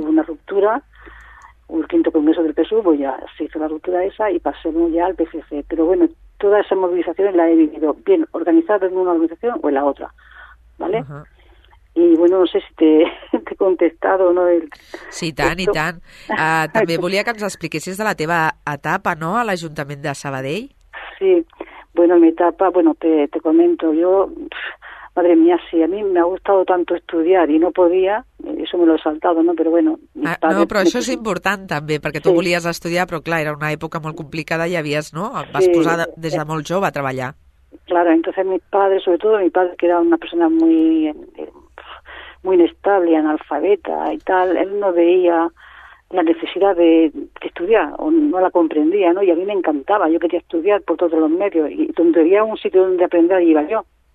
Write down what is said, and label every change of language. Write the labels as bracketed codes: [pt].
[es] Hubo una ruptura, el quinto congreso del PSUC, pues ya se hizo la ruptura esa y pasemos ya al PCC. Pero bueno, todas esas movilizaciones las he vivido bien organizadas en una organización o en la otra, ¿vale? Uh-huh. Y bueno, no sé si te he contestado, ¿no? [ca] Sí, tant, [es] esto. [ca] I tant. També volia que ens expliquessis de la teva etapa, ¿no?, a l'Ajuntament de Sabadell. Sí, [es] Bueno, mi etapa, bueno, te comento, yo, madre mía, sí, a mí me ha gustado tanto estudiar y no podía, eso me lo he saltado, ¿no? Pero bueno, mis padres... [ca] No, però això és important també, perquè tu volies estudiar, però clar, era una època molt complicada i havies, no? Vas posar des de molt jove a treballar. [es] Claro, entonces mis padres, sobre todo mi padre, que era una persona muy, muy inestable, analfabeta y tal, él no veía la necesidad de estudiar, o no la comprendía, ¿no? Y a mí me encantaba, yo quería estudiar por todos los medios, y donde había un sitio donde aprender, iba yo.